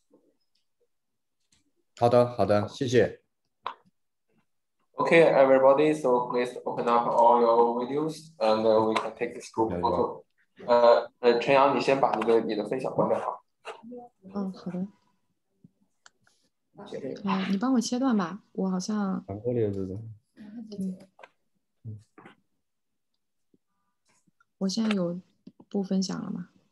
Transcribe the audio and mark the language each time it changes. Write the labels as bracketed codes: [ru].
[zh] 陈助理好，现在我刚才跟他们介绍的是，他们现在没有什么问题，那我稍后的话呢，我请那个夏老师把您的这个名片发给我，然后会后他们如果有什么问题，会通过邮件的方式跟您联络。然后今天现在就是最后一个议程呢，是我们大家都把摄像头打开，然后我们这边来截个屏，就通过这种方式让您跟这个所有的学员来进行一个合影。好的，好的，谢谢。 [en] Okay, everybody, so please open up all your videos and we can take this group photo. [zh] 陈阳，你先把你的分享关掉好。嗯，好的。你帮我切断吧，我好像。我现在有不分享了吗？